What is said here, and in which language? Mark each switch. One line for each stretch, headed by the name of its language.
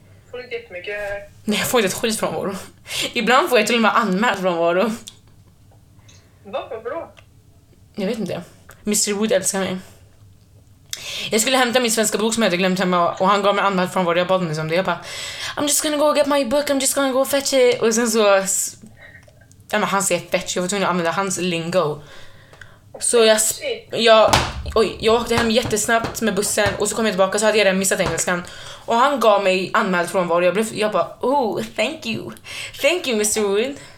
Swedish: Får du inte jättemycket... Nej, jag får inte ett skit frånvaro. Ibland får jag till och med anmäld frånvaro. Varför då? Jag vet inte. Mr. Wood älskar mig. Jag skulle hämta min svenska bok som jag hade glömt hemma, och han gav mig anmält från vad jag bad honom. Jag bara,
English: I'm just gonna go get my book, I'm just gonna go fetch it.
Swedish: Och sen så, ja men han säger fetch, jag var tvungen att använda hans lingo. Så jag åkte hem jättesnabbt med bussen, och så kom jag tillbaka, så hade jag redan missat engelskan. Och han gav mig anmält från vad jag blev. Jag bara,
English: oh, thank you Miss Wood.